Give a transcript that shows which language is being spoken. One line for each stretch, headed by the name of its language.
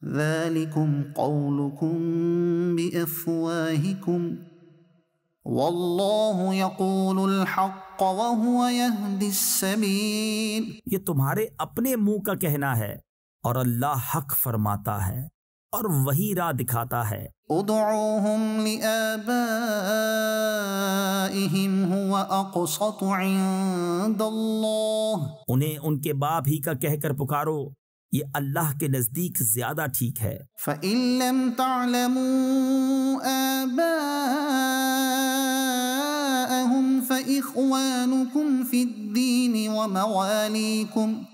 Arabic: ذالکم قولکم بافواہکم واللہ یقول الحق وهو یهدی السبیل،
Urdu: یہ تمہارے اپنے منہ کا کہنا ہے اور اللہ حق فرماتا ہے اور وہی راہ دکھاتا ہے.
Arabic: ادعوهم لآبائهم هو اقسط عند الله،
Urdu: انہیں ان کے باپ ہی کا کہہ کر پکارو، یہ اللہ کے نزدیک زیادہ ٹھیک ہے.
Arabic: فَإِن لَمْ تَعْلَمُوا آبَاءَهُمْ فَإِخْوَانُكُمْ فِي الدِّينِ وَمَوَالِيكُمْ،